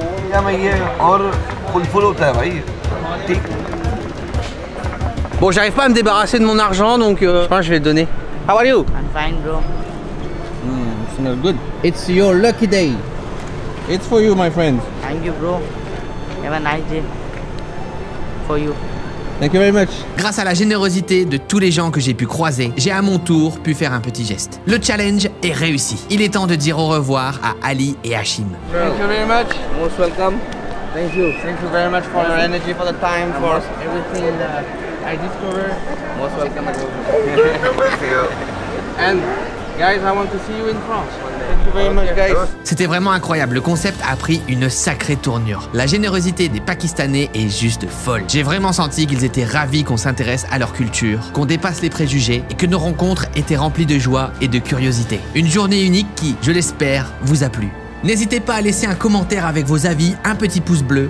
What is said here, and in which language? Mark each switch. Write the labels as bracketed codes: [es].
[en] Yeah, [fr] mais hier, [en] or full of that, right? Thick. [fr] Bon, j'arrive pas à me débarrasser de mon argent, donc je pense que je vais le donner. [en] How are you? I'm fine, bro. No, good. It's your lucky day. It's for you, my friend. Thank you, bro. Have a nice day for you. Thank you very much. [fr] Grâce à la générosité de tous les gens que j'ai pu croiser, j'ai à mon tour pu faire un petit geste. Le challenge est réussi. Il est temps de dire au revoir à Ali et Hashim. [en] Bro. Thank you very much. Most welcome. Thank you. Thank you very much for your energy, for the time, for everything that I discovered. Most welcome. Thank you. And guys, I want to see you in France. [fr] C'était vraiment incroyable, le concept a pris une sacrée tournure. La générosité des Pakistanais est juste folle. J'ai vraiment senti qu'ils étaient ravis qu'on s'intéresse à leur culture, qu'on dépasse les préjugés et que nos rencontres étaient remplies de joie et de curiosité. Une journée unique qui, je l'espère, vous a plu. N'hésitez pas à laisser un commentaire avec vos avis, un petit pouce bleu.